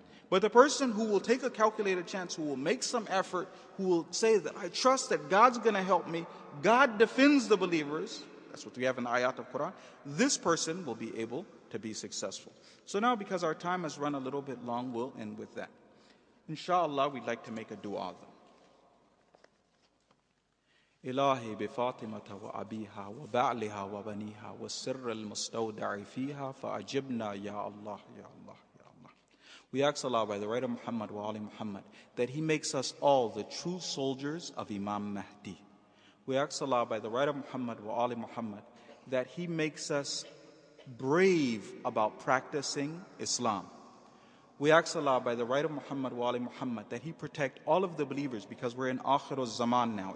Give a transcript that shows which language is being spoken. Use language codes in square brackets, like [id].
[en] But the person who will take a calculated chance, who will make some effort, who will say that I trust that God's going to help me, God defends the believers, that's what we have in the ayat of Quran, this person will be able to be successful. So now, because our time has run a little bit long, we'll end with that. Inshallah, we'd like to make a dua though. [ar] إلهي بفاطمة وأبيها وبعلها وبنيها والسر المستودع فيها فأجبنا يا الله يا الله يا الله. [en] We ask Allah by the right of Muhammad wa Ali Muhammad that He makes us all the true soldiers of Imam Mahdi. We ask Allah by the right of Muhammad wa Ali Muhammad that He makes us brave about practicing Islam. We ask Allah by the right of Muhammad wa Ali Muhammad that He protect all of the believers, because we're in Akhir al-Zaman now.